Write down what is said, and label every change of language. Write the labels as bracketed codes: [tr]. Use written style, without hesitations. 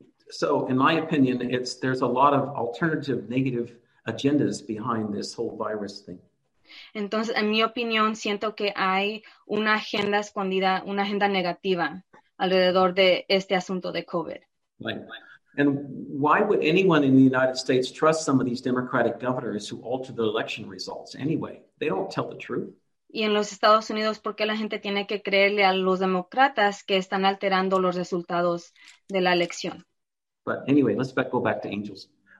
[en] So, in my opinion, there's a lot of alternative negative agendas behind this whole virus thing. [es] Entonces, en mi opinión, siento que hay una agenda escondida, una agenda negativa alrededor de este asunto de COVID. [en] Right. And why would anyone in the United States trust some of these Democratic governors who alter the election results anyway? They don't tell the truth. [es] Y en los Estados Unidos, ¿por qué la gente tiene que creerle a los demócratas que están alterando los resultados de la elección? [en] But anyway, let's go back to angels.